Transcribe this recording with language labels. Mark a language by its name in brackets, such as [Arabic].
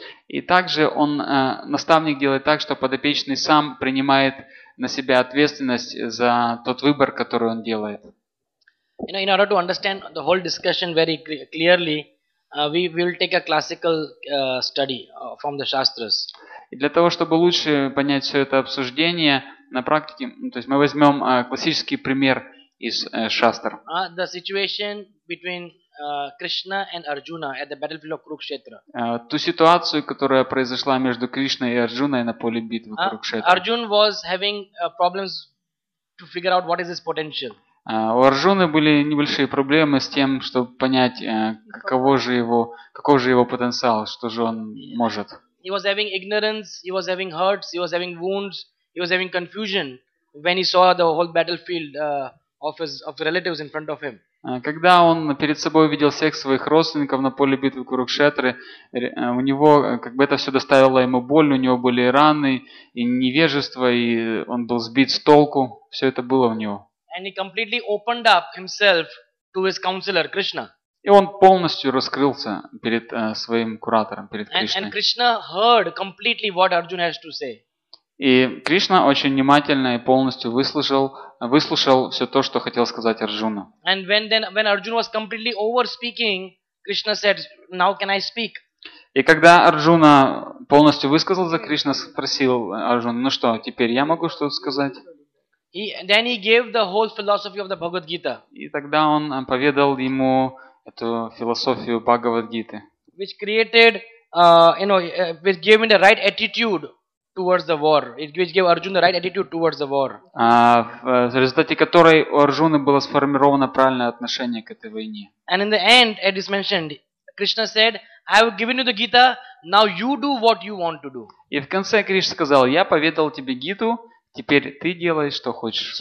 [Russian] И также он наставник делает так, что подопечный сам принимает на себя ответственность за тот выбор, который он делает. [English] You know, in order to understand the whole discussion very clearly, we will take a classical study from the Shastras. [Russian] И для того, чтобы лучше понять все это обсуждение на практике, то есть мы возьмем классический пример из Шастр. [English] The situation between Krishna and Arjuna at the battlefield of Kurukshetra. [Russian] Ту ситуацию, которая произошла между Кришной и Арджуной на поле битвы Курукшетра. [English] Arjun was having problems to figure out what is his potential. [Russian] У Арджуны были небольшие проблемы с тем, чтобы понять, каков же его потенциал, что же он может. [English] He was having ignorance, he was having hurts, he was having wounds, he was having confusion when he saw the whole battlefield of relatives in front of him. [Russian] Когда он перед собой видел всех своих родственников на поле битвы Курукшетры, у него как бы это все доставило ему боль, у него были и раны, и невежество, и он был сбит с толку, все это было в него. [English] And he completely opened up himself to his counselor Krishna. [Russian] И он полностью раскрылся перед своим куратором, перед Кришной. [English] And Krishna heard completely what Arjuna has to say. [Russian] И Кришна очень внимательно и полностью выслушал все то, что хотел сказать Арджуна. [English] And when Arjuna was completely over speaking, Krishna said, "Now can I speak?" [Russian] И когда Арджуна полностью высказал за Кришна, спросил Арджуна: "Ну что, теперь я могу что-то сказать?" [English] Then he gave the whole philosophy of the Bhagavad Gita. [Russian] И тогда он поведал ему эту философию Бхагавад Гиты. [English] Which created, which gave him the right attitude towards the war. Which gave Arjuna the right attitude towards the war. [Russian] В результате которой у Арджуны было сформировано правильное отношение к этой войне. [English] And in the end, as is mentioned, Krishna said, "I have given you the Gita. Now you do what you want to do." [Russian] И в конце Кришна сказал: "Я поведал тебе Гиту. Теперь ты делай, что хочешь."